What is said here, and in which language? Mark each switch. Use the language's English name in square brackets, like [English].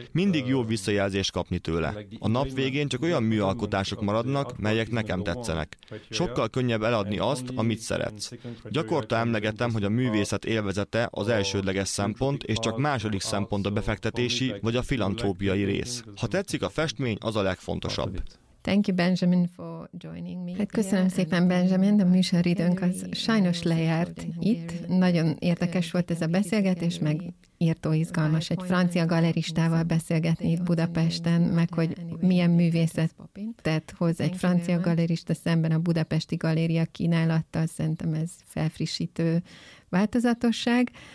[Hungarian] Mindig jó visszajelzést kapni tőle. A nap végén csak olyan műalkotások maradnak, melyek nekem tetszenek. Sokkal könnyebb eladni azt, amit szeretsz. Gyakorta emlegetem, hogy a művészet élvezete az elsődleges szempont, és csak második szempont a befektetési vagy a filantrópiai rész. Ha tetszik a festmény, az a legfontosabb. [English] Thank you, Benjamin, for joining me. [Hungarian] Hát köszönöm szépen, Benjamin, a műsoridőnk az sajnos lejárt itt. Nagyon érdekes volt ez a beszélgetés, meg írtó izgalmas egy francia galeristával beszélgetni itt Budapesten, meg hogy milyen művészetet hoz egy francia galerista szemben a budapesti galéria kínálattal, szerintem ez felfrissítő változatosság.